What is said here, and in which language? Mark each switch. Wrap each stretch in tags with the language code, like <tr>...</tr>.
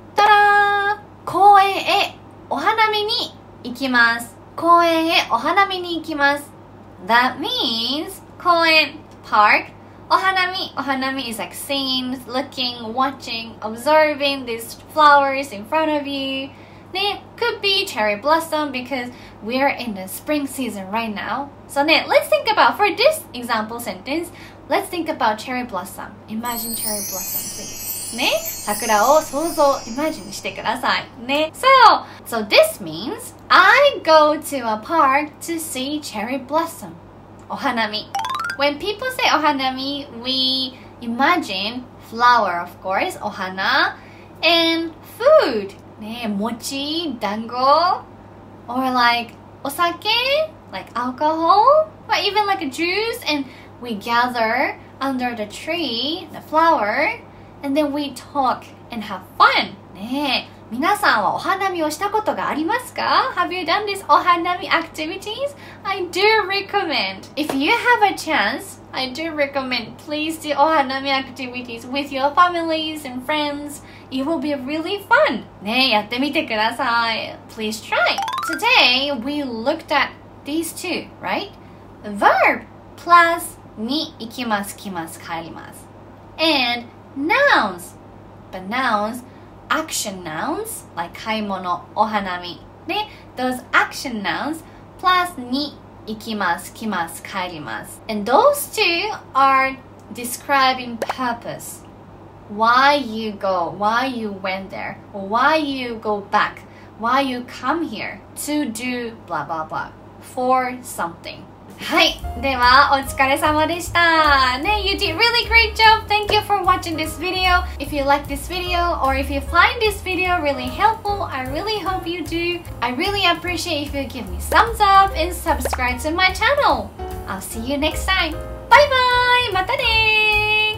<ja>たらー公園へお花見に行きます。公園へお花見に行きます。</ja> <en>That means 公園 park,お花見 is like seeing, looking, watching, observing these flowers in front of you. ね、could be cherry blossom because we are in the spring season right now. So ね、let's think about, for this example sentence, let's think about cherry blossom. Imagine cherry blossom, please.</en> <ja>ね、桜を想像、イマジンしてくださいね。</ja> <en>So, so this means I go to a park to see cherry blossom.</en> <ja>お花見。</ja> <en>When people say お花見, we imagine flower, of course, お花, and food.</en> <ja>ね、餅、団子,</ja> <en>or like お酒, like alcohol, or even like a juice, and we gather under the tree, the flower,And then we talk and have fun.</en> <ja>ねえ、皆さんはお花見をしたことがありますか?</ja> <en>Have you done this お花見 activities? I do recommend. If you have a chance, I do recommend. Please do お花見 activities with your families and friends. It will be really fun.</en> <ja>ねえ、やってみてください。</ja> <en>Please try. Today, we looked at these two, right? Verb plus</en> <ja>に行きます、来ます、帰ります。</ja> <en>And... Nouns, but nouns, action nouns, like 買い物、お花見、ね、those action nouns, plus</en> <ja>に行きます、来ます、帰ります。</ja> <en>And those two are describing purpose. Why you go, why you went there, or why you go back, why you come here, to do blah blah blah, for something.</en> <ja>はい、ではお疲れ様でした。ね、</ja> <en>You did really great job! Thank you for watching this video. If you like this video or if you find this video really helpful, I really hope you do. I really appreciate if you give me thumbs up and subscribe to my channel. I'll see you next time. Bye bye!</en> <ja>またねー!</ja>